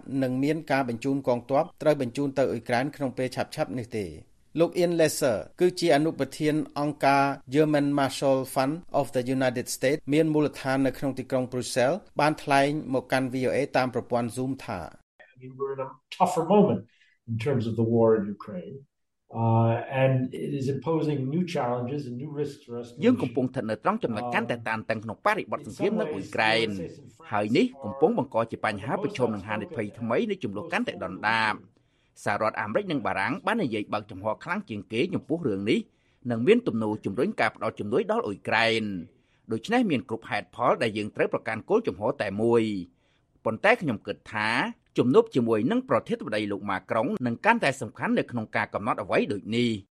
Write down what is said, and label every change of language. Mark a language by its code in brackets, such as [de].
[km] នឹងមានការបញ្ជូនកងទ័ពត្រូវបញ្ជូនទៅអ៊ុយក្រែនក្នុងពេលឆាប់ៗនេះទេលោក Ian Lesser គឺជាអនុប្រធានអង្គការ German Marshall Fund of the United States មានមូលដ្ឋាននៅក្នុងទីក្រុង Brussels បានថ្លែងមកកាន់ VOA តាមប្រព័ន្ធ Zoom ថា [en] We were in a tougher moment in terms of the war in Ukraine and it is imposing new challenges and new risks for us [km] យើងកំពុងស្ថិតនៅត្រង់ចំណុចកាន់តែតានតឹងក្នុងបរិបទសង្គ្រាមនៅអ៊ុយក្រែនហើយនេះកំពុងបង្កជាបញ្ហាប្រឈមនឹងហានិភ័យថ្មីនៃចំនួនកាន់តែដុនដាបសហរដ្ឋអាមេរិកនិងបារាំងបាននិយាយបើកចំហខ្លាំងជាងគេចំពោះរឿងនេះនិងមានទំនោរជំរុញការផ្តល់ជំនួយដល់អ៊ុយក្រែនដូច្នេះមានគ្រប់ហេតុផលដែលយើងត្រូវប្រកាន់គោលចំហតែមួយប៉ុន្តែខ្ញុំគិតថាជំនួបជាមួយនឹងប្រធានាធិបតីលោកម៉ាក្រុងនឹងកាន់តែសំខាន់នៅក្នុងការកំណត់អ្វីដូចនេះ